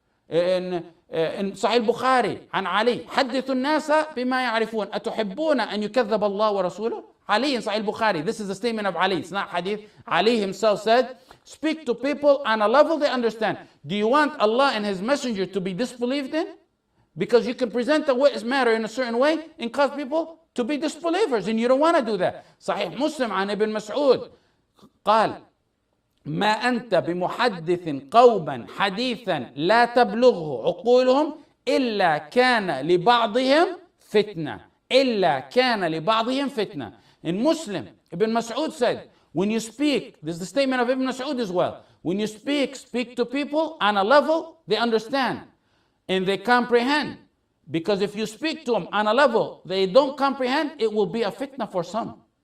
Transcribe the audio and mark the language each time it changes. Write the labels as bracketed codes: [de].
[en] In Sahih al-Bukhari, [ar] عن علي, حدث الناس بما يعرفون, أتحبون أن يكذب الله ورسوله؟ [en] علي in Sahih al-Bukhari, this is a statement of Ali, it's not hadith. Ali himself said, speak to people on a level they understand. Do you want Allah and His Messenger to be disbelieved in? Because you can present a witness matter in a certain way and cause people to be disbelievers, and you don't want to do that. [ar] Sahih Muslim عن ابن مسعود قال, ما أنت بمحدث قوما حديثا لا تبلغه عقولهم إلا كان لبعضهم فتنة. إلا كان لبعضهم فتنة. [en] In Muslim, Ibn Mas'ud said, when you speak, this is the statement of Ibn Mas'ud as well, when you speak to people on a level they understand and they comprehend. Because if you speak to them on a level they don't comprehend, it will be a fitna for some.